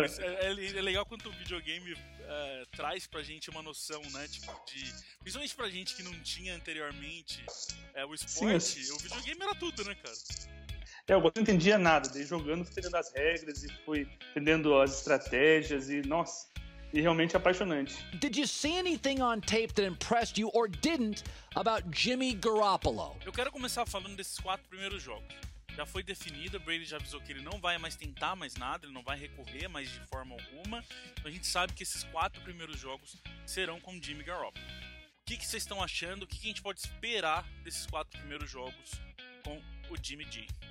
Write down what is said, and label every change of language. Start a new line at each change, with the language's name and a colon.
Portuguese: É legal quanto o videogame traz pra gente uma noção, né? Tipo, principalmente pra gente que não tinha anteriormente o esporte. Sim. O videogame era tudo, né, cara? Eu não entendia nada, daí jogando, fui entendendo as regras e fui entendendo as estratégias e, nossa, e realmente apaixonante.
English: Did you see anything on tape that impressed you or didn't about Jimmy Garoppolo?
Portuguese: Eu quero começar falando desses quatro primeiros jogos. Já foi definido, Brady já avisou que ele não vai mais tentar mais nada, ele não vai recorrer mais de forma alguma. Então a gente sabe que esses quatro primeiros jogos serão com Jimmy Garoppolo. O que vocês estão achando? O que a gente pode esperar desses quatro primeiros jogos com o Jimmy G?